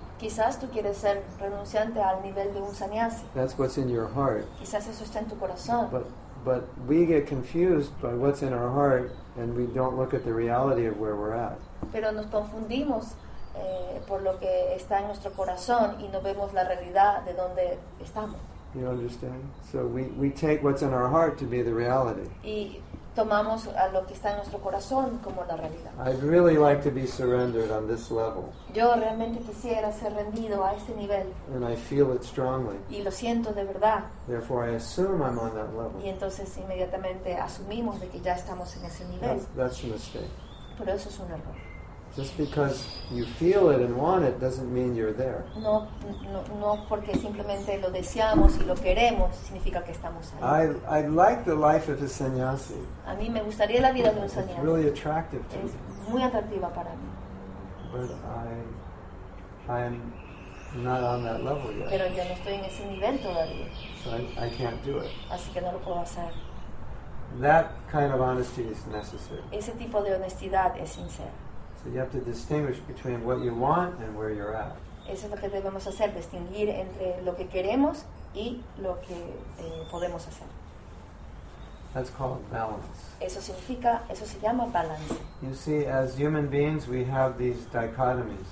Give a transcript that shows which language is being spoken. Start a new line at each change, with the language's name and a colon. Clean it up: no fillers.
Spanish: Quizás tú quieres ser renunciante al nivel de un sannyasi.
English: That's what's in your heart.
Spanish: Quizás eso está en tu corazón.
English: But we get confused by what's in our heart and we don't look at the reality of where we're at.
Spanish: Pero nos confundimos por lo que está en nuestro corazón y no vemos la realidad de donde estamos.
English: You understand? So we take what's in our heart to be the reality.
Spanish: Y tomamos a lo que está en nuestro corazón como la realidad.
English: I'd really like to be surrendered on this level.
Spanish: Yo realmente quisiera ser rendido a este nivel.
English: And I feel it strongly.
Spanish: Y lo siento de verdad.
English: Therefore I assume I'm on that level.
Spanish: Y entonces inmediatamente asumimos de que ya estamos en ese nivel.
English: That's a mistake.
Spanish: pero eso es un error.
English: Just because you feel it and want it doesn't mean you're there.
Spanish: No, porque simplemente lo deseamos y lo queremos significa que estamos ahí.
English: I like the life of a sannyasi.
Spanish: A mí me gustaría la vida de un sannyasi.
English: It's really attractive to me.
Spanish: Es muy atractiva para mí.
English: But I'm not on that level yet.
Spanish: Pero yo no estoy en ese nivel todavía.
English: So I can't do it.
Spanish: Así que no lo puedo hacer.
English: That kind of honesty is necessary.
Spanish: Ese tipo de honestidad es sincera.
English: So you have to distinguish between what you want and where you're at.
Spanish: Eso es lo que debemos hacer, distinguir entre lo que queremos y lo que podemos hacer.
English: That's called balance.
Spanish: Eso se llama balance.
English: You see, as human beings, we have these dichotomies.